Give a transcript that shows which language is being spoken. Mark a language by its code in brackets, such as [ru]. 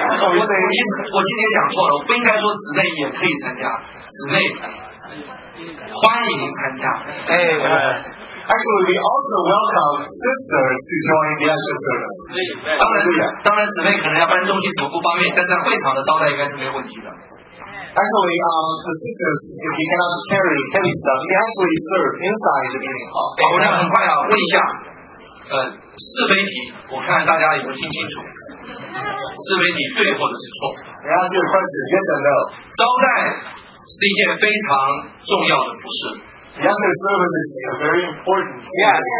[zh] 我其实也讲错了，我不应该说姊妹也可以参加，姊妹欢迎参加。 [en] Amen。 Actually, we also welcome sisters to join the usher service. [zh] 当然姊妹可能要搬东西什么不方便，但是在会场的招待应该是没有问题的。 [en] Actually, the sisters, if you cannot carry heavy stuff, you actually serve inside the meeting hall. [zh] 我们很快啊，问一下，是非题，我看大家有没有听清楚，是非题对或者是错。 [en] I ask you a question, yes or no? [zh] 招待是一件非常重要的服事。 [en] Yes, the service is a very important service.